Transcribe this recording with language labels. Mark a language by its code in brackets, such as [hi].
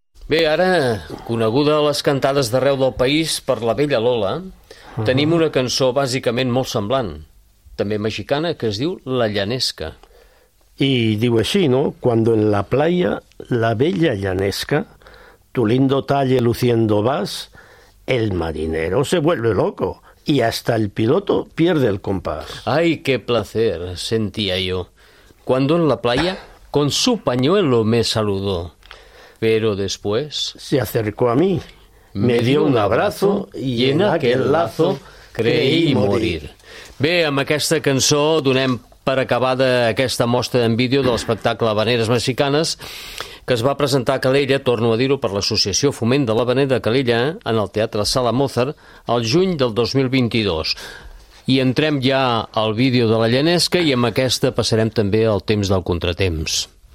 [ca] Bé, ara, coneguda a les cantades d'arreu del país per la vella Lola, tenim una cançó bàsicament molt semblant, també mexicana, que es diu La Llanesca. I diu així, no? [es] Cuando en la playa la bella llanesca, tu lindo talle luciendo vas, el marinero se vuelve loco y hasta el piloto pierde el compás. Ai, qué placer, sentía yo. Cuando en la playa, con su pañuelo me saludó. Pero después se acercó a mí, me dio un abrazo y en aquel lazo creí morir. [ca] Bé, amb aquesta cançó donem per acabada aquesta mostra en vídeo de l'espectacle Habaneres Mexicanes que es va presentar a Calella, torno a dir-ho, per l'Associació Foment de l'Habanera de Calella en el Teatre Sala Mozar el juny del 2022. I entrem ja al vídeo de la Llanesca i amb aquesta passarem també el temps del contratemps.